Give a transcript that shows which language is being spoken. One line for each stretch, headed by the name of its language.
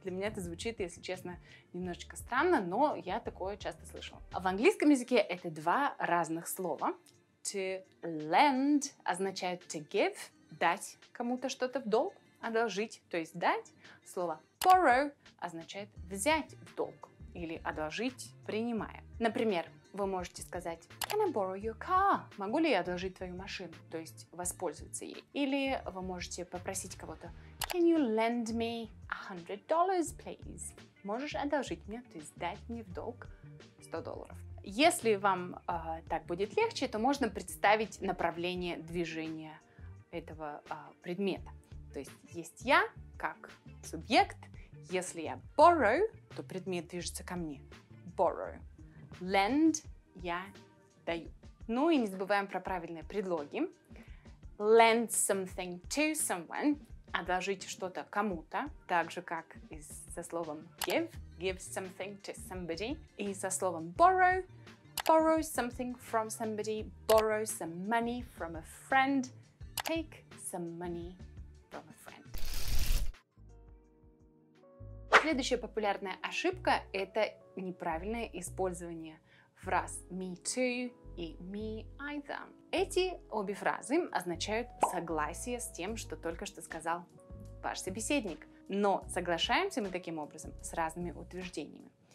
Russian: Для меня это звучит, если честно, немножечко странно, но я такое часто слышала. В английском языке это два разных слова. «To lend» означает «to give», дать кому-то что-то в долг, «одолжить», то есть «дать». Слово borrow означает взять в долг или одолжить, принимая. Например, вы можете сказать
English: Can I borrow your car?
Russian: Могу ли я одолжить твою машину, то есть воспользоваться ей? Или вы можете попросить кого-то
English: Can you lend me $100, please?
Russian: Можешь одолжить мне, то есть дать мне в долг $100. Если вам так будет легче, то можно представить направление движения этого предмета. То есть есть я как субъект. Если я borrow, то предмет движется ко мне. Borrow. Lend – я даю. Ну и не забываем про правильные предлоги.
English: Lend something to someone –
Russian: одолжить что-то кому-то. Так же, как и со словом give –
English: give something to somebody.
Russian: И со словом
English: borrow – borrow something from somebody. Borrow some money from a friend – take some money from a friend.
Russian: Следующая популярная ошибка – это неправильное использование фраз «me too» и «me either». Эти обе фразы означают согласие с тем, что только что сказал ваш собеседник. Но соглашаемся мы таким образом с разными утверждениями.